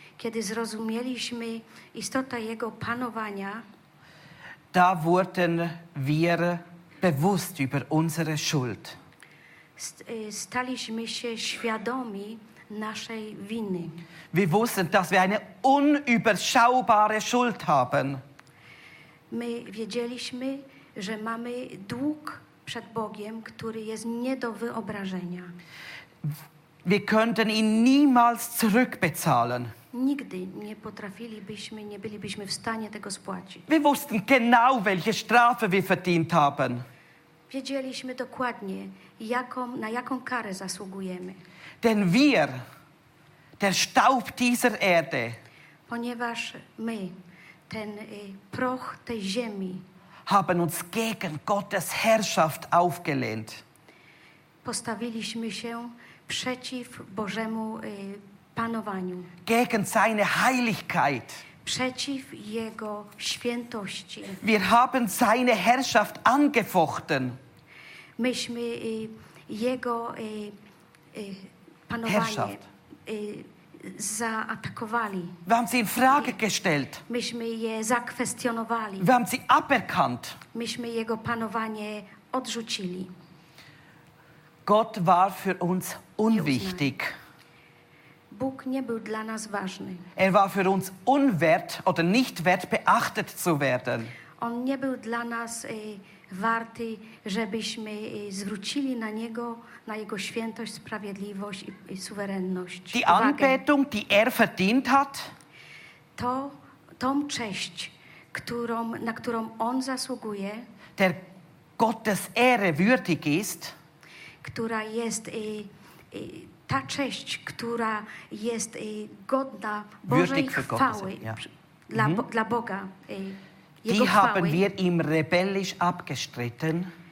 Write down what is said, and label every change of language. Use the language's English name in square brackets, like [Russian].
[Polish] kiedy zrozumieliśmy istotę jego panowania, [German] da wurden wir bewusst über unsere Schuld. [Polish] Staliśmy się świadomi naszej winy. [German] Wir wussten, dass wir eine unüberschaubare Schuld haben. [Polish] My wiedzieliśmy, że mamy dług przed Bogiem, który jest nie do wyobrażenia. [German] Wir könnten ihn niemals zurückbezahlen. [Polish] Nigdy nie potrafilibyśmy, nie bylibyśmy w stanie tego spłacić. [German] Wir wussten genau, welche Strafe wir verdient haben. [Polish] Wiedzieliśmy dokładnie, na jaką karę zasługujemy. [German] Denn wir, der Staub dieser Erde, [Polish] ponieważ my, ten proch tej ziemi, [German] haben uns gegen Gottes Herrschaft aufgelehnt. [Polish] Postawiliśmy się przeciw Bożemu panowaniu. [German] Gegen seine Heiligkeit. [Polish] Przeciw jego świętości. [German] Wir haben seine Herrschaft angefochten. [Polish] Myśmy jego panowanie Herrschaft. Zaatakowali. [German] Wir haben sie in Frage gestellt. [Polish] Myśmy je zakwestionowali. [German] Wir haben sie aberkannt. [Polish] Myśmy jego panowanie odrzucili. [German] Gott war für uns unwichtig. [Polish] Bóg nie był dla nas ważny. [German] Er war für uns unwert oder nicht wert beachtet zu werden. [Polish] On nie był dla nas warty, żebyśmy zwrócili na niego, na jego świętość, sprawiedliwość i suwerenność. [German] Die Anbetung, die er verdient hat, [Polish] tą cześć, na którą on zasługuje, [German] der Gottes Ehre würdig ist, [Polish] która jest ta cześć, która jest godna Bożej chwały, dla Boga, jego [German] die [Polish] chwały, [German] haben wir ihm rebellisch abgestritten,